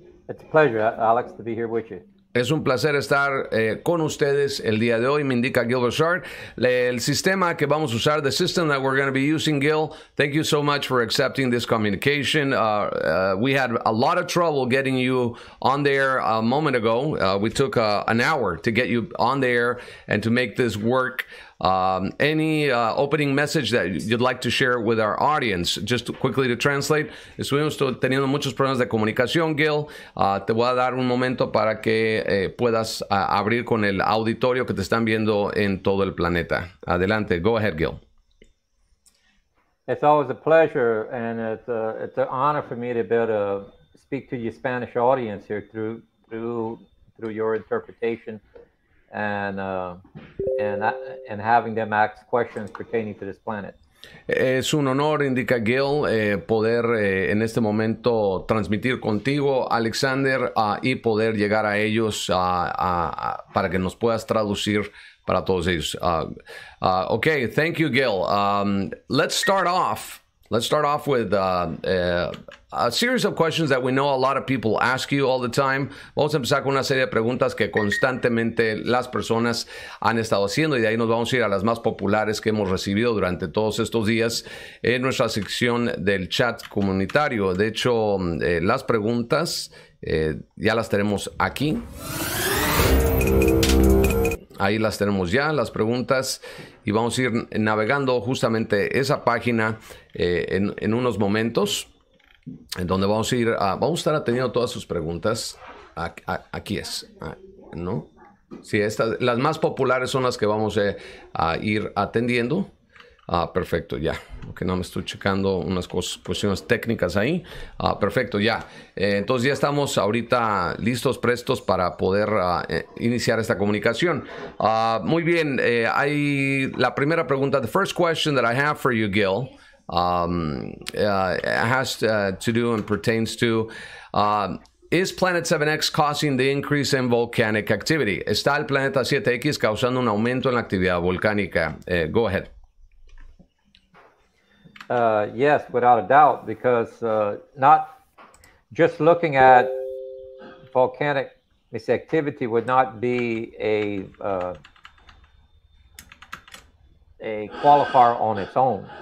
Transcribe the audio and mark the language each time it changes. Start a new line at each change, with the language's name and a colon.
English: It's a pleasure, Alex, to be here with you.
Spanish: Es un placer estar con ustedes el día de hoy, me indica Gilbert Sharp. El sistema que vamos a usar,
English: the system that we're going to be using, Gil, thank you so much for accepting this communication. We had a lot of trouble getting you on there a moment ago. We took an hour to get you on there and to make this work. Any opening message that you'd like to share with our audience, just quickly to translate.
Spanish: Estuvimos teniendo muchos problemas de comunicación, Gil. Te voy a dar un momento para que puedas abrir con el auditorio que te están viendo en todo el planeta. Adelante.
English: Go ahead, Gil. It's always a pleasure and it's an honor for me to be able to speak to your Spanish audience here through your interpretation. And having them ask questions pertaining to this planet.
Spanish: Es un honor, indica Gil, poder en este momento transmitir contigo, Alexander, y poder llegar a ellos para que nos puedas traducir para todos ellos.
English: Okay, thank you, Gil. Let's start off with a series of questions that we know a lot of people ask you all the time.
Spanish: Vamos a empezar con una serie de preguntas que constantemente las personas han estado haciendo y de ahí nos vamos a ir a las más populares que hemos recibido durante todos estos días en nuestra sección del chat comunitario. De hecho, las preguntas ya las tenemos aquí. Ahí las tenemos ya, las preguntas, y vamos a ir navegando justamente esa página en unos momentos, en donde vamos a ir, vamos a estar atendiendo todas sus preguntas. Aquí es, ¿no? Sí, estas, las más populares son las que vamos a ir atendiendo. Perfecto, ya. Okay, no, me estoy checando unas cuestiones técnicas ahí. Perfecto, ya. Entonces ya estamos ahorita listos, prestos para poder iniciar esta comunicación. Muy bien, hay la primera pregunta.
English: The first question that I have for you, Gil, has to do and pertains to, is Planet 7X causing the increase in volcanic activity?
Spanish: ¿Está el Planeta 7X causando un aumento en la actividad volcánica?
English: Go ahead. Yes, without a doubt, because not just looking at volcanic activity would not be a qualifier on its own.